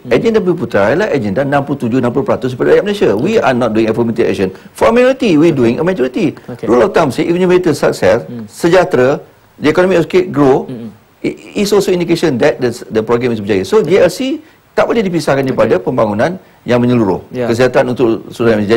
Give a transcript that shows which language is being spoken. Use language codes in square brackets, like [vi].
[ms] Agenda Bumi Putera ialah agenda 67-60% daripada rakyat Malaysia. [en] We are not doing affirmative action for a minority, we doing a majority. Rule of thumb, if you make it success, sejahtera, the economy okay, grow, it's also indication that the program is berjaya. [ms] So GLC tak boleh dipisahkan daripada pembangunan yang menyeluruh, kesihatan untuk seluruh Malaysia.